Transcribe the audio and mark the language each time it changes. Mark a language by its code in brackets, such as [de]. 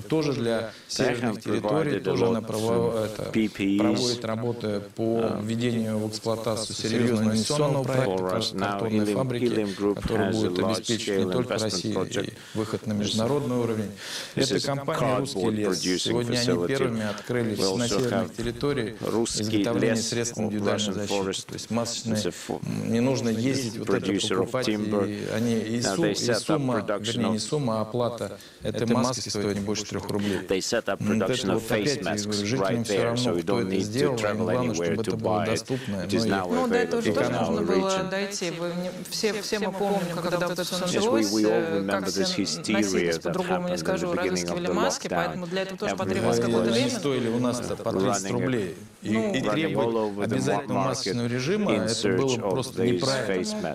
[ru] Тоже для северных территорий, тоже она проводит работы по введению в эксплуатацию серьезного инвестиционного проекта, картонной фабрики, которая будет обеспечивать не только Россию, и выход на международный уровень. Это компания «Русский лес». Сегодня они первые первыми открылись на северных территориях изготовление средств индивидуальной защиты. То есть масочные, не нужно ездить вот это покупать, и оплата этой маски стоит не больше 3 рублей. [en] They set up production of face masks right there, so we don't need to travel anywhere to buy it. It is now available in our region. [ru] Все мы помним, когда это все началось, как все носились по-другому, не скажу, разыскивали маски, поэтому для этого тоже потребовалось какое-то время. Они стоили у нас по 30 рублей. И требовать обязательного масочного режима, это было просто неправильно.